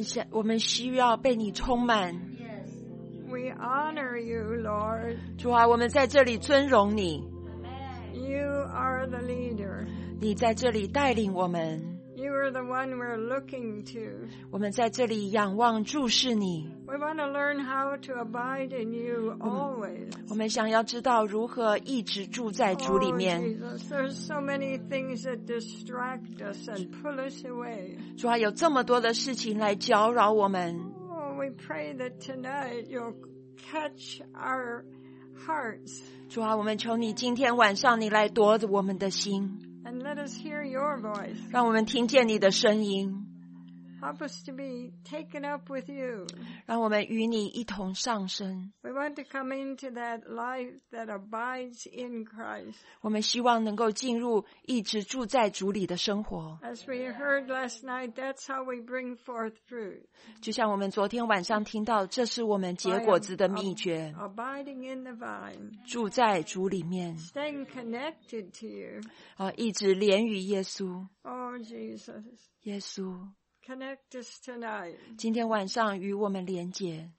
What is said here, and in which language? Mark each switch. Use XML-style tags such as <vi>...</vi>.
<zh>我们需要被你充满。</zh> <en>Yes. We honor you, Lord.</en> <zh>主啊，我们在这里尊荣你。</zh> <en>You are the leader.</en> <zh>你在这里带领我们。</zh> <en>You are the one we're looking to.</en> <zh>我们在这里仰望注视你。</zh> <en>We want to learn how to abide in you always.</en> <zh>我们想要知道如何一直住在主里面。</zh> <en>Oh, Jesus, there's so many things that distract us and pull us away.</en> <zh>主啊，有这么多的事情来搅扰我们。</zh> <en>Oh, we pray that tonight you'll catch our hearts.</en> <zh>主啊，我们求你今天晚上你来夺着我们的心。</zh> <en>And let us hear your voice.</en> <zh>让我们听见你的声音。</zh> <en>Help us to be taken up with you.</en> <zh>让我们与你一同上升。</zh> <en>We want to come into that life that abides in Christ.</en> <zh>我们希望能够进入一直住在主里的生活。</zh> <en>As we heard last night, that's how we bring forth fruit.</en> <zh>就像我们昨天晚上听到，这是我们结果子的秘诀。</zh> <en>Abiding in the vine.</en> <zh>住在主里面。</zh> <en>Staying connected to you.</en> <zh>一直连于耶稣。</zh> <en>Oh, Jesus.</en> <zh>耶稣。</zh> <en>Connect us tonight.</en> <zh>今天晚上与我们连结。</zh>